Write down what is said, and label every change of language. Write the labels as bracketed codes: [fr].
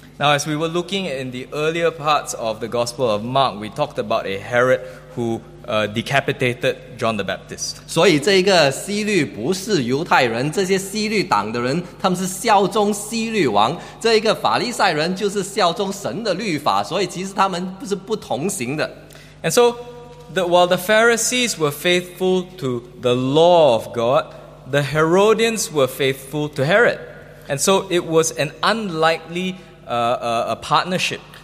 [en] Now, as we were looking in the earlier parts of the Gospel of Mark, we talked about a Herod who decapitated John the Baptist. [zh] 所以这个希律不是犹太人，这些希律党的人，他们是效忠希律王。这一个法利赛人就是效忠神的律法，所以其实他们不是不同行的。 [en] And so, while the Pharisees were faithful to the law of God, the Herodians were faithful to Herod. And so, it was an unlikely a partnership.